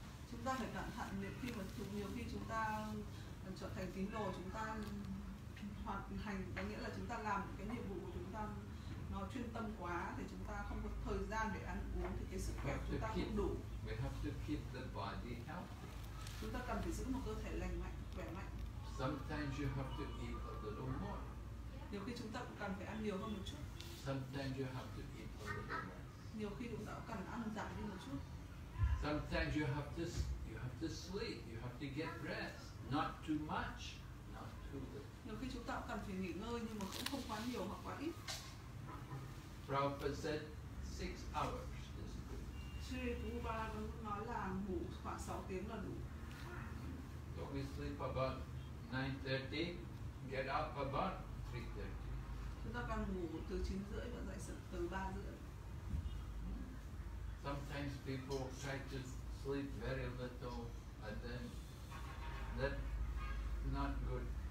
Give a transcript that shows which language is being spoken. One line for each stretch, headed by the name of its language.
Vietnamese: Chúng ta phải cẩn thận khi mà nhiều khi chúng ta trở thành tín đồ, chúng ta hoàn thành, có nghĩa là chúng ta làm cái nhiệm vụ của chúng ta nó chuyên tâm quá thì chúng ta không có thời gian để ăn uống, thì cái sức khỏe chúng ta không đủ.
English: We have to keep the body healthy.
Vietnamese: Chúng ta cần phải giữ một cơ thể lành mạnh, khỏe mạnh.
English: Sometimes you have to eat a little more.
Vietnamese: Nhiều khi chúng ta cũng cần phải ăn nhiều hơn một chút.
English: Sometimes you have to eat a little less.
Vietnamese: Nhiều khi chúng ta cần ăn giảm đi một chút.
English: Sometimes you have to sleep, you have to get rest, not too much, not too little.
Vietnamese: Nhiều khi chúng ta cần phải nghỉ ngơi nhưng mà cũng không quá nhiều hoặc quá ít.
English: Prabhupada said 6 hours is good.
Vietnamese: Sri Prabhupada nói là ngủ khoảng 6 tiếng là đủ.
English: So we sleep about 9:30, get up about 3:30.
Vietnamese: Chúng ta cần ngủ từ 9:30 và dậy từ 3:30.
English: Sometimes people try to sleep very little and then that's not good.